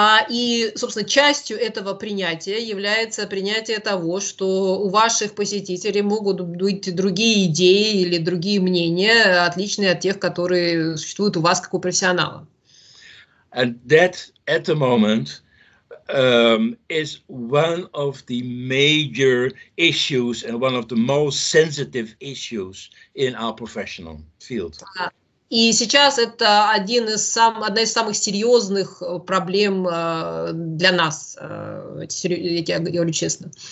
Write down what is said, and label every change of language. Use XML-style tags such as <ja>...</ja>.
<ru>И, собственно, частью этого принятия является принятие того, что у ваших посетителей могут быть другие идеи или другие мнения, отличные от тех, которые существуют у вас как у профессионала.</ru> <en>And that, at the moment, is one of the major issues and one of the most sensitive issues in our professional field.</en> <ru>И сейчас это одна из самых серьезных проблем для нас, я говорю честно.</ru>